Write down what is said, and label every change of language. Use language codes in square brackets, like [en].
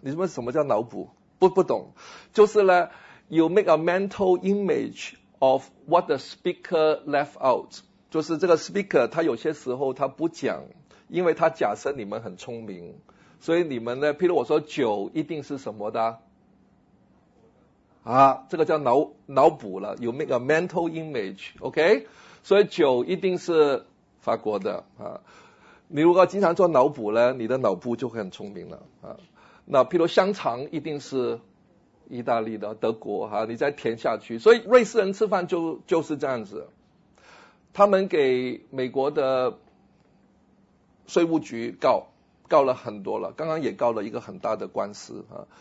[zh] 你们什么叫脑补？不懂。就是呢 ， [en] you make a mental image of what the speaker left out， [zh] 就是这个 speaker 他有些时候他不讲，因为他假设你们很聪明，所以你们呢，譬如我说酒一定是什么的。啊，这个叫脑补了 ， [en] you make a mental image， [zh] OK？、Okay? 所以酒一定是法国的啊。你如果经常做脑补呢，你的脑部就会很聪明了啊。那譬如香肠一定是意大利的、德国哈、啊，你再填下去。所以瑞士人吃饭就是这样子，他们给美国的税务局告了很多了，刚刚也告了一个很大的官司啊。